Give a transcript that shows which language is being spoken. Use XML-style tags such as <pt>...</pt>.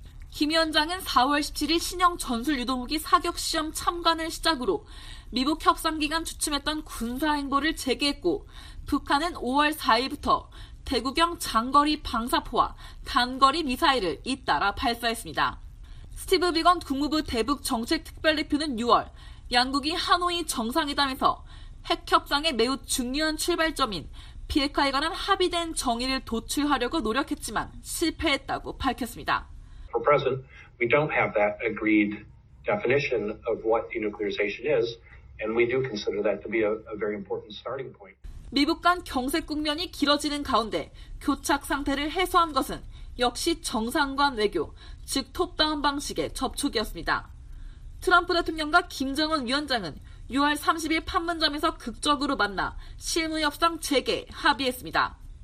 <ko>김 위원장은 4월 17일 신형 전술 유도무기 사격시험 참관을 시작으로 미북 협상기간 주춤했던 군사행보를 재개했고 북한은 5월 4일부터 대구경 장거리 방사포와 단거리 미사일을 잇따라 발사했습니다. 스티브 비건 국무부 대북정책특별대표는 6월 양국이 하노이 정상회담에서 핵협상의 매우 중요한 출발점인 비핵화에 관한 합의된 정의를 도출하려고 노력했지만 실패했다고 밝혔습니다.</ko> <en>For present, we don't have that agreed definition of what denuclearization is, and we do consider that to be a very important starting point.</en> <ko>미북 간 경색 국면이 길어지는 가운데 교착 상태를 해소한 것은 역시 정상관 외교, 즉 톱다운 방식의 접촉이었습니다. 트럼프 대통령과 김정은 위원장은 6월 30일 판문점에서 극적으로 만나 실무협상 재개 합의했습니다.</ko>